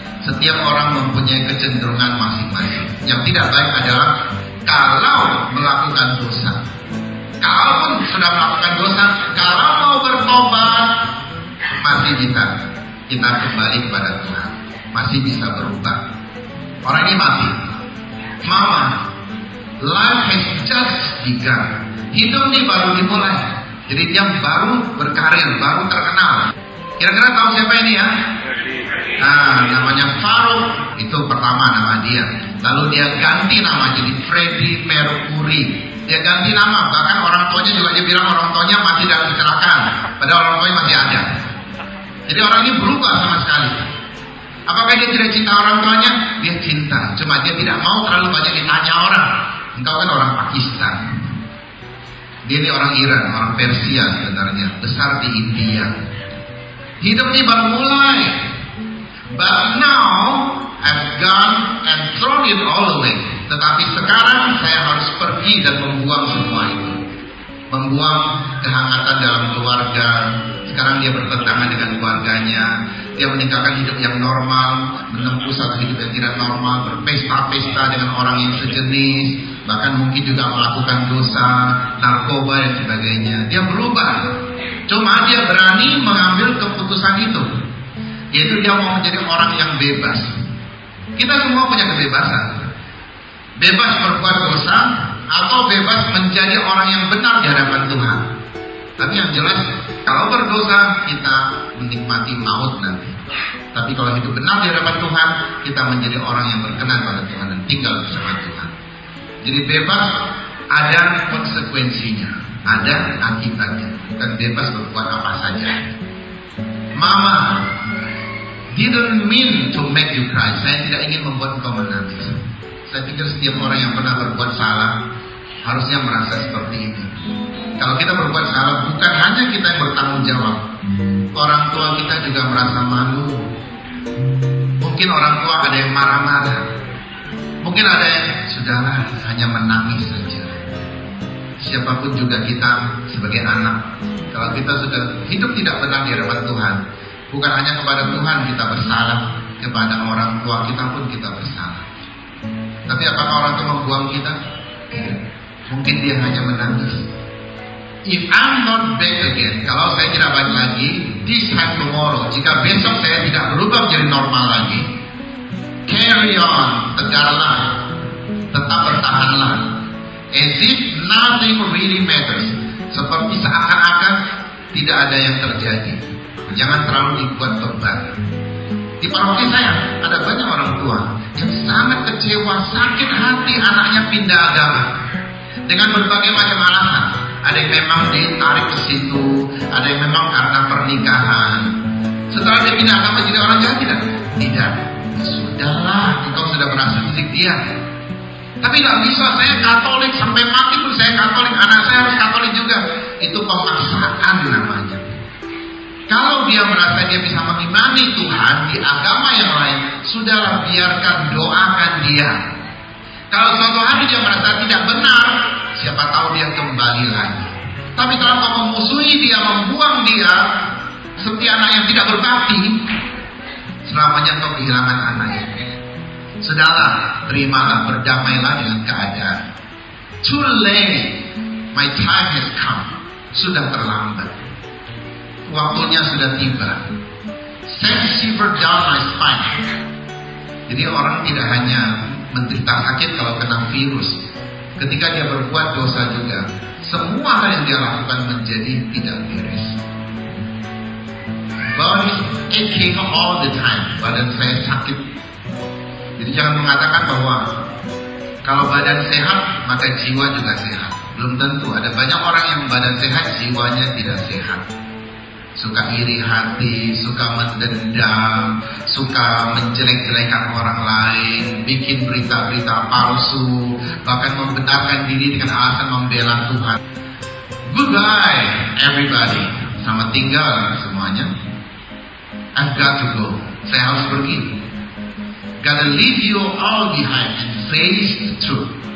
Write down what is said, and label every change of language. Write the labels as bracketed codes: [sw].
[id] Setiap orang mempunyai kecenderungan masing-masing. Yang tidak baik adalah kalau melakukan dosa. Kalaupun sudah melakukan dosa, kalau mau bertobat, masih bisa kita kembali kepada Tuhan. Masih bisa berubah. Orang ini mati. [en] Mama, life has just begun. [id] Hidup ini baru dimulai. Jadi dia baru berkarir, baru terkenal. Kira-kira tahu siapa ini ya? Namanya Farouk. Itu pertama nama dia. Lalu dia ganti nama jadi Freddie Mercury. Dia ganti nama. Bahkan orang tuanya juga dia bilang orang tuanya mati dalam kecelakaan. Padahal orang tuanya masih ada. Jadi orang ini berubah sama sekali. Apakah dia tidak cinta orang tuanya? Dia cinta, cuma dia tidak mau terlalu banyak ditanya orang. Engkau kan orang Pakistan. Dia ini orang Iran, orang Persia sebenarnya. Besar di India. Hidup ini baru mulai. [en] But now, I've gone and thrown it all away. [id] Tetapi sekarang, saya harus pergi dan membuang semua itu. Membuang kehangatan dalam keluarga. Sekarang dia bertentangan dengan keluarganya. Dia meninggalkan hidup yang normal, menempuh satu hidup yang tidak normal, berpesta-pesta dengan orang yang sejenis, bahkan mungkin juga melakukan dosa, narkoba dan sebagainya. Dia berubah. Cuma dia berani mengambil keputusan itu. Yaitu dia mau menjadi orang yang bebas. Kita semua punya kebebasan. Bebas berbuat dosa, atau bebas menjadi orang yang benar di hadapan Tuhan. Tapi yang jelas, kalau berdosa, kita menikmati maut nanti. Tapi kalau hidup benar di hadapan Tuhan, kita menjadi orang yang berkenan pada Tuhan dan tinggal bersama Tuhan. Jadi bebas ada konsekuensinya, ada akibatnya. Bukan bebas berbuat apa saja. [en] Mama, didn't mean to make you cry. [id] Saya tidak ingin membuat kau menangis. Saya pikir setiap orang yang pernah berbuat salah harusnya merasa seperti ini. Kalau kita berbuat salah, bukan hanya kita yang bertanggung jawab. Orang tua kita juga merasa malu. Mungkin orang tua ada yang marah-marah. Mungkin ada yang sudahlah hanya menangis saja. Siapapun juga kita sebagai anak, kalau kita sudah hidup tidak benar di hadapan Tuhan, bukan hanya kepada Tuhan kita bersalah, kepada orang tua kita pun kita bersalah. Tapi apakah orang tua membuang kita? Mungkin dia hanya menangis. [en] If I'm not back again, [id] kalau saya tidak balik lagi, [en] this time tomorrow, [id] jika besok saya tidak berubah menjadi normal lagi, [en] carry on, [id] tegarlah, tetap bertahanlah. [en] As if nothing really matters. [id] Seperti seakan-akan tidak ada yang terjadi. Jangan terlalu dibuat beban. Di paroki saya ada banyak orang tua yang sangat kecewa, sakit hati anaknya pindah agama dengan berbagai macam alasan. Ada yang memang ditarik ke situ, ada yang memang karena pernikahan. Setelah dia pindah agama jadi orang jahat tidak? Tidak. Sudahlah, engkau sudah berhasil didik dia. Tapi tidak bisa, saya Katolik sampai mati pun saya Katolik, anak saya harus Katolik juga. Itu pemaksaan namanya. Kalau dia merasa dia bisa mengimani Tuhan di agama yang lain, sudahlah, biarkan, doakan dia. Kalau suatu hari dia merasa tidak benar, siapa tahu dia kembali lagi. Tapi kalau kau memusuhi dia, membuang dia, seperti anak yang tidak berbakti, selamanya kau kehilangan anaknya. Sudahlah, terimalah, berdamailah dengan keadaan. [en] Too late, my time has come. [id] Sudah terlambat. Waktunya sudah tiba. [en] Send shiver down my spine. [id] Jadi orang tidak hanya menderita sakit kalau kena virus. Ketika dia berbuat dosa juga, semua hal yang dia lakukan menjadi tidak beres. [en] Body aching all the time. [id] Badan saya sakit. Jadi jangan mengatakan bahwa kalau badan sehat, maka jiwa juga sehat. Belum tentu. Ada banyak orang yang badan sehat, jiwanya tidak sehat. Suka iri hati, suka mendendam, suka menjelek-jelekan orang lain, bikin berita-berita palsu, bahkan membenarkan diri dengan alasan membela Tuhan. [en] Goodbye, everybody. [id] Selamat tinggal semuanya. [en] I've got to go. [id] Saya harus pergi. [en] Gotta leave you all behind and face the truth.